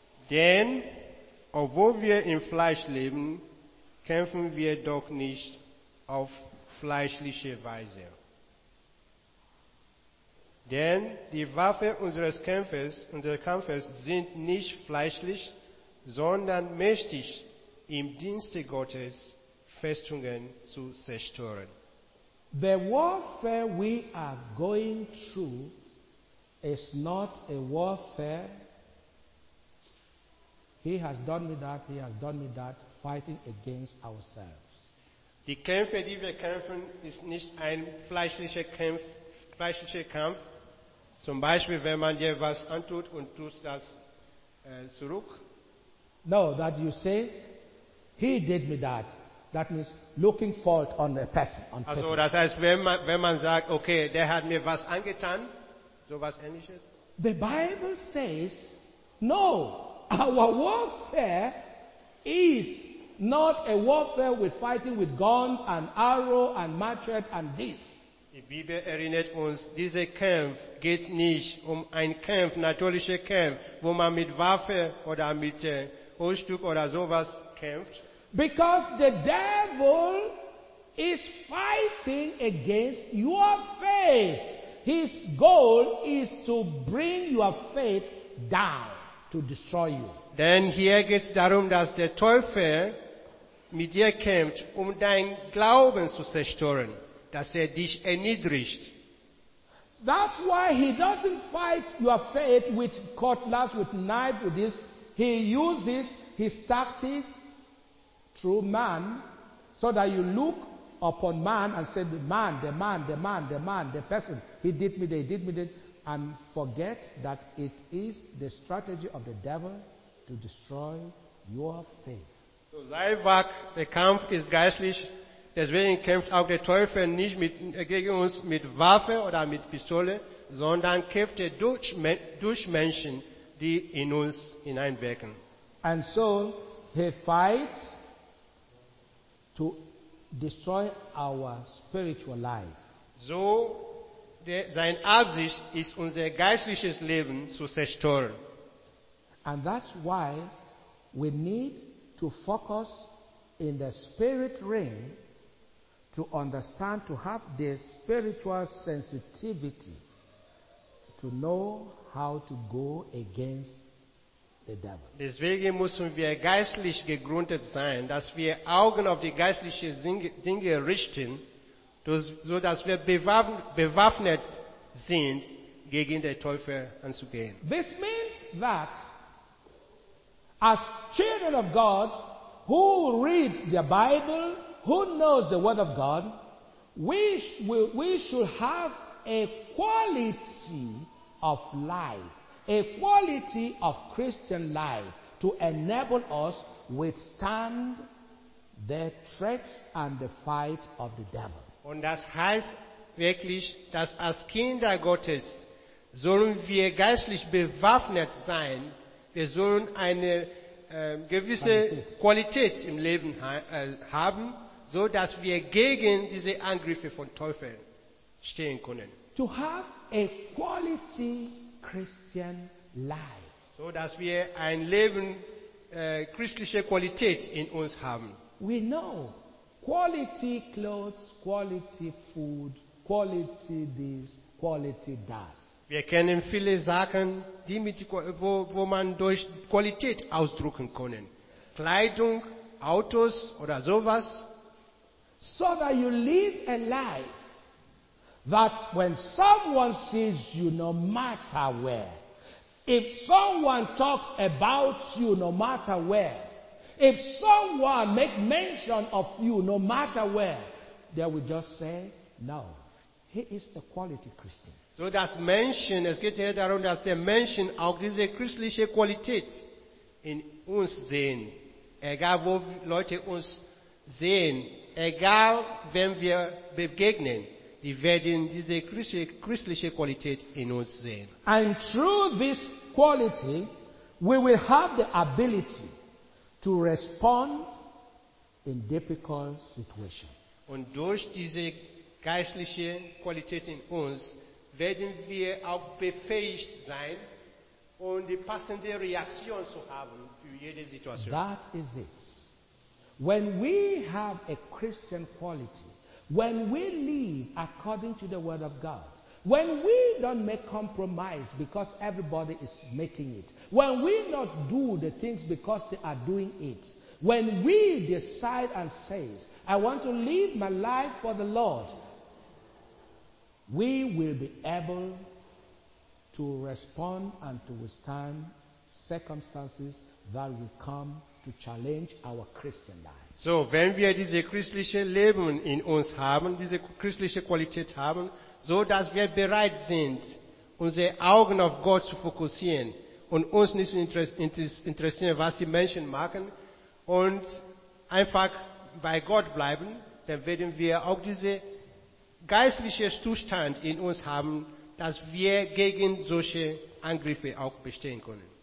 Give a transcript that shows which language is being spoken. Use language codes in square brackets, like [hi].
[de] Denn, obwohl wir im Fleisch leben, kämpfen wir doch nicht auf fleischliche Weise. Denn die Waffe unseres Kampfes sind nicht fleischlich, sondern mächtig, im Dienste Gottes Festungen zu zerstören. [en] The warfare we are going through is not a warfare. He has done me that, he has done me that, fighting against ourselves. [de] Die Kämpfe, die wir kämpfen, ist nicht ein fleischlicher Kampf. Zum Beispiel, wenn man dir was antut und tust das zurück. [en] No, that you say, he did me that. That means looking fault on a person. On also, people. [de] Das heißt, wenn man sagt, okay, der hat mir was angetan, sowas ähnliches. [en] The Bible says, no, our warfare is not a warfare with fighting with guns and arrow and machete and this. [de] Die Bibel erinnert uns, dieser Kampf geht nicht um einen Kampf, natürlicher Kampf, wo man mit Waffe oder mit Holzstück oder sowas kämpft. [en] Because the devil is fighting against your faith. His goal is to bring your faith down, to destroy you. [de] Denn hier geht es darum, dass der Teufel mit dir kämpft, um dein Glauben zu zerstören, dass er dich erniedrigt. [en] That's why he doesn't fight your faith with cutlass, with knife, with this. He uses his tactics through man, so that you look upon man and say, the man, the person, he did me that, and forget that it is the strategy of the devil to destroy your faith. [de] So sein Werk, der Kampf ist geistlich, deswegen kämpft auch der Teufel nicht gegen uns mit Waffe oder mit Pistole, sondern kämpft er durch Menschen, die in uns hineinwirken. [en] And so he fights to destroy our spiritual life. [de] So seine Absicht ist, unser geistliches Leben zu zerstören. [en] And that's why we need to focus in the spirit realm to understand, to have the spiritual sensitivity to know how to go against the devil. [de] Deswegen müssen wir geistlich gegründet sein, dass wir Augen auf die geistlichen Dinge richten, so dass wir bewaffnet sind, gegen den Teufel anzugehen. [en] This means that as children of God, who read the Bible, who knows the Word of God, we should have a quality of life, a quality of Christian life, to enable us withstand the threats and the fight of the devil. [de] Und das heißt wirklich, dass als Kinder Gottes sollen wir geistlich bewaffnet sein. Wir sollen eine gewisse Qualität im Leben haben, so dass wir gegen diese Angriffe von Teufeln stehen können. [en] To have a quality Christian life. [de] So dass wir ein Leben christliche Qualität in uns haben. [en] We know quality clothes, quality food, quality this, quality that. [de] Wir kennen viele Sachen, wo man durch Qualität ausdrücken kann. Kleidung, Autos oder sowas. [en] So that you live a life that when someone sees you, no matter where, if someone talks about you, no matter where, if someone makes mention of you, no matter where, they will just say, no, he is a quality Christian. [de] So dass Menschen, es geht hier darum, dass der Menschen auch diese christliche Qualität in uns sehen. Egal wo Leute uns sehen, egal wem wir begegnen, die werden diese christliche Qualität in uns sehen. [en] And through this quality, we will have the ability to respond in difficult situations. [de] Und durch diese geistliche Qualität in uns werden wir auch befähigt sein, um die passende Reaktion zu haben für jede Situation. [en] That is it. When we have a Christian quality, when we live according to the Word of God, when we don't make compromise because everybody is making it, when we not do the things because they are doing it, when we decide and say, I want to live my life for the Lord, we will be able to respond and to withstand circumstances that will come to challenge our Christian life. [de] So, wenn wir diese christliche Leben in uns haben, diese christliche Qualität haben, so dass wir bereit sind, unsere Augen auf Gott zu fokussieren und uns nicht interessieren, was die Menschen machen, und einfach bei Gott bleiben, dann werden wir auch diese geistliche Zustand in uns haben, dass wir gegen solche Angriffe auch bestehen können.